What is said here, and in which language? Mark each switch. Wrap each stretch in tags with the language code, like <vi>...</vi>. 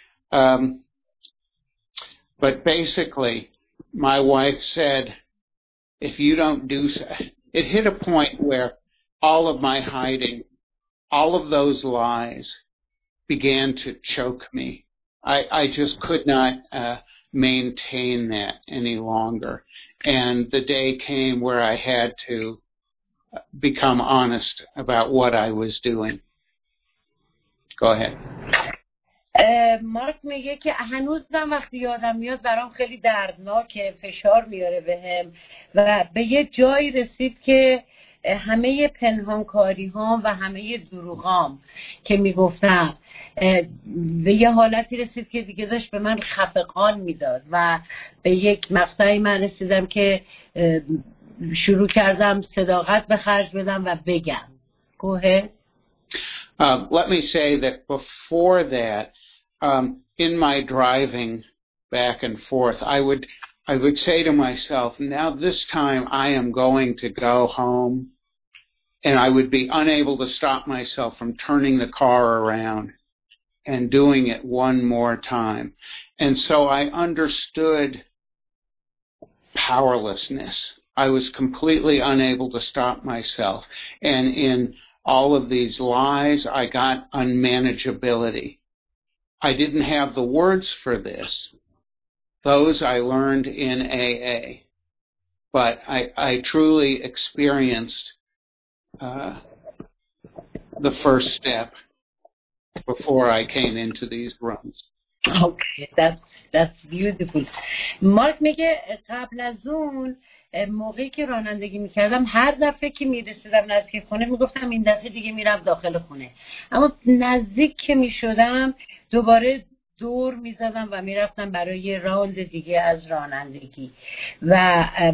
<en>But basically, my wife said, if you don't do so, it hit a point where all of my hiding, all of those lies began to choke me. I just could not maintain that any longer. And the day came where I had to become honest about what I was doing.</en> <fa>مارک میگه که هنوزم وقتی یادم میاد برام خیلی دردناکه، فشار میاره بهم و به یه جایی رسید که همه پنهانکاری هام و همه دروغام که میگفتم به یه حالتی رسید که دیگه داشت به من خفقان میداد و به یک مقطعی من رسیدم که شروع کردم صداقت به خرج بدم و بگم.</fa> <en>گوهه؟ Let me say that before that, in my driving back and forth, I would say to myself, now this time I am going to go home, and I would be unable to stop myself from turning the car around and doing it one more time. And so I understood powerlessness. I was completely unable to stop myself. And in all of these lies, I got unmanageability. I didn't have the words for this. Those I learned in AA. But I truly experienced the first step before I came into these rooms. Okay, that's beautiful.</en> <fa>Mark میگه قبل از اون موقعی که رانندگی میکردم هر دفعه که میرسیدم نزدیک خونه میگفتم این دفعه دیگه میرم داخل خونه، اما نزدیک که میشدم دوباره دور میزدم و میرفتم برای راند دیگه از رانندگی و</fa>